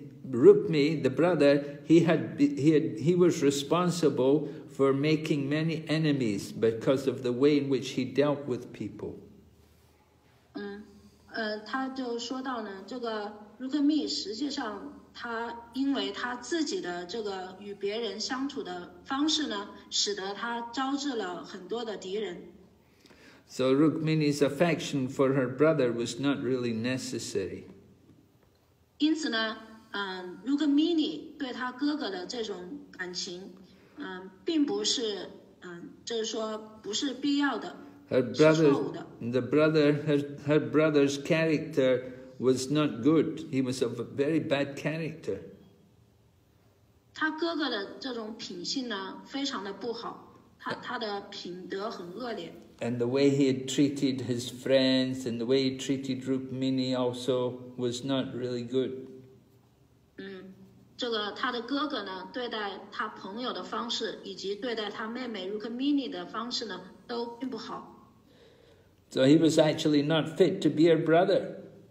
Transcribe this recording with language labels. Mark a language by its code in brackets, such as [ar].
[en] Rukmi, the brother, he was responsible for making many enemies because of the way in which he dealt with people. [zh] 他就说到呢，这个 Rukmi 实际上他因为他自己的这个与别人相处的方式呢，使得他招致了很多的敌人。 [en] So Rukmini's affection for her brother was not really necessary. [zh] 因此呢, Rukmini 对她哥哥的这种感情, 并不是, 就是说不是必要的, [en] her brother's character was not good. He was of a very bad character. [zh] 她哥哥的这种品性呢, 非常的不好, 她的品德很恶劣。 [en] And the way he had treated his friends and the way he treated Rukmini also was not really good. [zh] 这个他的哥哥呢,对待他朋友的方式,以及对待他妹妹Rukmini的方式呢,都并不好。 [en] So he was actually not fit to be her brother.